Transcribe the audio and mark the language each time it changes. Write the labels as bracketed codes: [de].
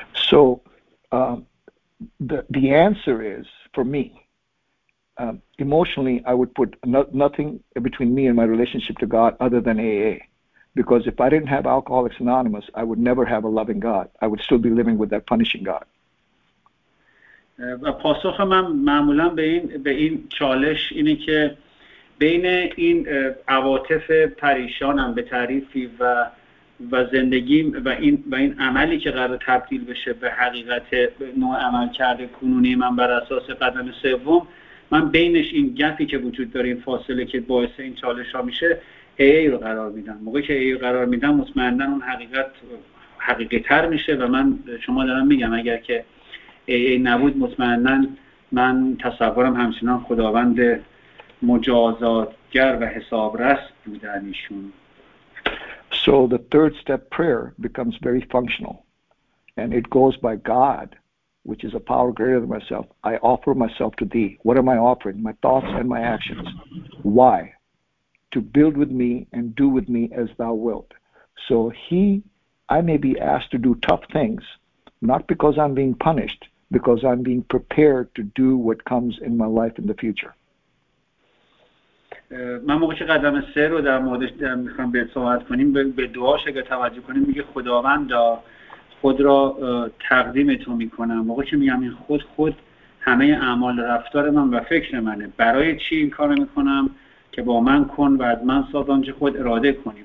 [en] So the answer is for me, emotionally I would put nothing between me and my relationship to God other than AA, because if I didn't have Alcoholics Anonymous I would never have a loving God. I would still be living with that punishing God. [fa] و پاسخ من معمولا به این چالش اینه که بین این عواطف پریشانم به تعریفی و و زندگیم و این و این عملی که قرار تبدیل بشه به حقیقت به نوع عمل کرده کنونی من بر اساس قدم سوم، من بینش این گپی که وجود داره، این فاصله که باعث این چالش ها میشه، ای رو قرار میدم. موقعی که ای رو قرار میدم مطمئنن اون حقیقت حقیقی تر میشه و من شما دارم میگم اگر که ای نبود مطمئنن من تصورم همچنان خداوند مجازاتگر و حسابرس بودن ایشون. [en] So the third step prayer becomes very functional and it goes by God, which is a power greater than myself. I offer myself to thee. What am I offering? My thoughts and my actions. Why? To build with me and do with me as thou wilt. So I may be asked to do tough things, not because I'm being punished, because I'm being prepared to do what comes in my life in the future. [fa] من موقع که قدم سه رو در موردش میخوام بهت صحبت کنیم، به دعاش اگر توجه کنیم، میگه خداوند خود را تقدیم تو میکنم. موقع که میگم این خود همه اعمال رفتار من و فکر منه، برای چی این کار میکنم؟ که با من کن و از من ساز آنچه خود اراده کنی.